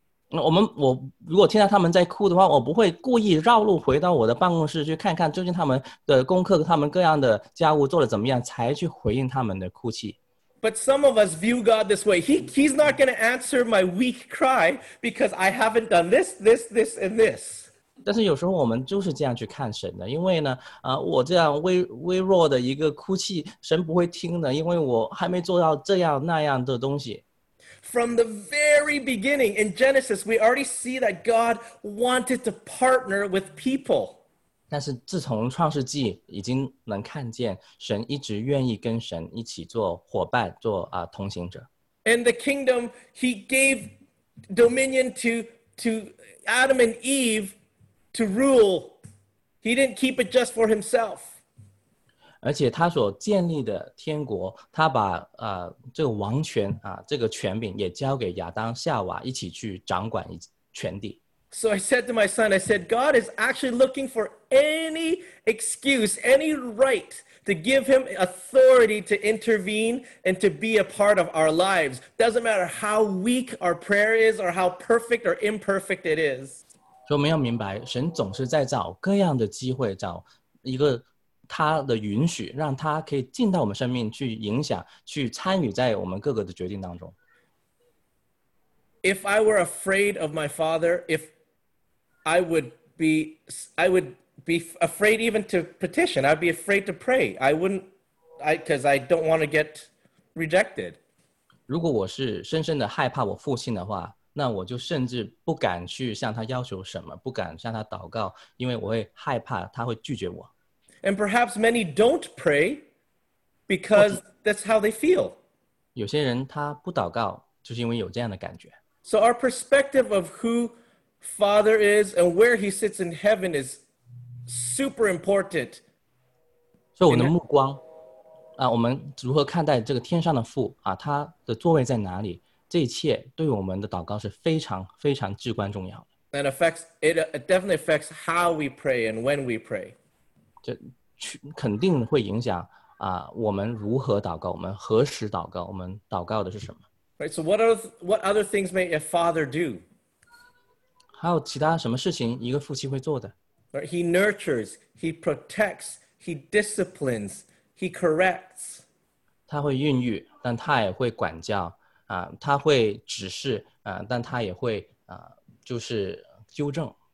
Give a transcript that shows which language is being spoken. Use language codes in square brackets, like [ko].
[zh] 我如果听到他们在哭的话，我不会故意绕路回到我的办公室去看看究竟他们的功课、他们各样的家务做得怎么样，才去回应他们的哭泣。 [en] But some of us view God this way. He's not going to answer my weak cry because I haven't done this, this, this, and this. [zh] 但是有时候我们就是这样去看神的，因为呢，我这样微弱的一个哭泣，神不会听的，因为我还没做到这样那样的东西。 [en] From the very beginning in Genesis, we already see that God wanted to partner with people. [zh] 但是自从创世纪已经能看见，神一直愿意跟神一起做伙伴，做同行者。 [en] And the kingdom He gave dominion to Adam and Eve. To rule, he didn't keep it just for himself. [zh] 而且他所建立的天国，他把这个王权这个权柄也交给亚当夏娃一起去掌管全地。 [en] So I said to my son, I said, God is actually looking for any excuse, any right to give him authority to intervene and to be a part of our lives. Doesn't matter how weak our prayer is or how perfect or imperfect it is. [zh] 所以我们要明白，神总是在找各样的机会，找一个他的允许，让他可以进到我们生命去影响，去参与在我们各个的决定当中。 [en] If I were afraid of my father, if I would be afraid even to petition, I'd be afraid to pray. Because I don't want to get rejected. [zh] 如果我是深深的害怕我父亲的话。那我就甚至不敢去向他要求什么，不敢向他祷告，因为我会害怕他会拒绝我。 [en] And perhaps many don't pray because that's how they feel. [zh] 有些人他不祷告，就是因为有这样的感觉。 [en] So our perspective of who Father is and where He sits in heaven is super important. [zh] 所以我们的目光啊，我们如何看待这个天上的父啊，他的座位在哪里？这一切对我们的祷告是非常非常至关重要的。 [en] And affects it definitely affects how we pray and when we pray. [zh] 这肯定会影响啊，我们如何祷告，我们何时祷告，我们祷告的是什么？ [en] Right, so what other things may a father do? [zh] 还有其他什么事情一个父亲会做的？ [en] Right, he nurtures, he protects, he disciplines, he corrects. [zh] 他会孕育，但他也会管教，他会指示，但他也会，就是纠正。